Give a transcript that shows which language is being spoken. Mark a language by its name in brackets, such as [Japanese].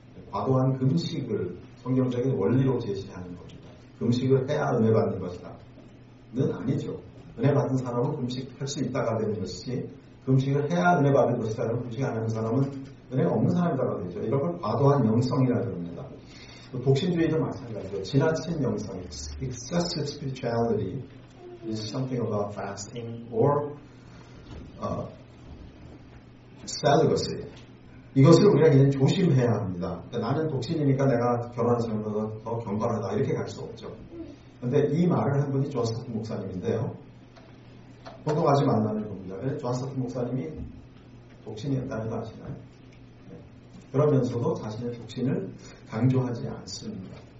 [Korean] 과도한 금식을 성경적인 원리로 제시하는 겁니다. 금식을 해야 은혜 받는 것이다. 는 아니죠. 은혜 받은 사람은 금식할 수 있다가 되는 것이지 금식을 해야 은혜 받은 것이다. 금식 안 하는 사람은 은혜 없는 사람이라고 되죠. 이런 걸 과도한 영성이라고 합니다. 독신주의도 마찬가지죠. 지나친 영성, [English] excessive spirituality is something about fasting or celibacy. [Korean] 이것을 우리가 굉장히 조심해야 합니다. 그러니까 나는 독신이니까 내가 결혼한 사람보다 더 경건하다 이렇게 갈 수 없죠. 그런데 이 말을 한 분이 조스터스 목사님인데요. 보통 아직 만나는 겁니다. 조스터스 목사님이 독신이었다는 거 아시나요? 그러면서도 자신의 독신을 강조하지 않습니다.